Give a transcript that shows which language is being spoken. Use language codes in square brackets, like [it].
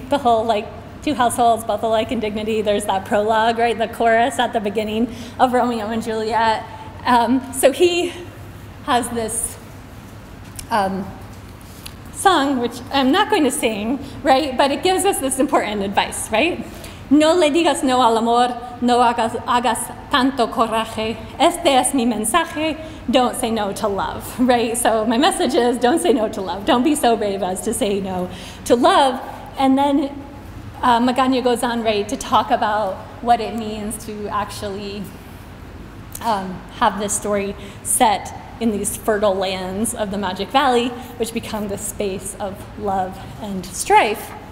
[en] The whole, like, two households, both alike in dignity. There's that prologue, right? The chorus at the beginning of Romeo and Juliet. So he has this song, which I'm not going to sing, right? But it gives us this important advice, right? [es] No le digas no al amor, no hagas tanto coraje. Este es mi mensaje, [en] don't say no to love, right? So my message is don't say no to love. Don't be so brave as to say no to love. And then Magaña goes on, right, to talk about what it means to actually have this story set in these fertile lands of the Magic Valley, which become the space of love and strife.